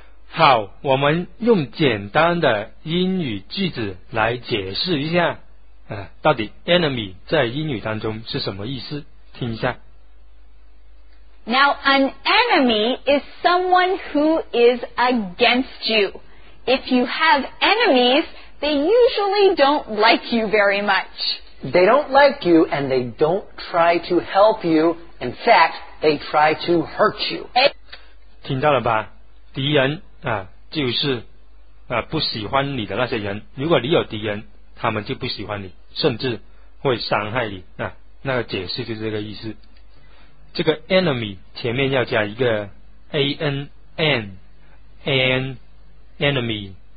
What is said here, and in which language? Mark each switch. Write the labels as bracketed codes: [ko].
[zh] 好，我们用简单的英语句子来解释一下，啊，到底 enemy 在英语当中是什么意思？听一下。 [en] Now an enemy is someone who is against you. If you have enemies,They usually don't like you very much. They don't like you and they don't try to help you. In fact, they try to hurt you. [zh] 听到了吧？敌人啊，就是啊不喜欢你的那些人。如果你有敌人，他们就不喜欢你，甚至会伤害你。啊，那个解释就是这个意思。这个 enemy 前面要加一个 enemy。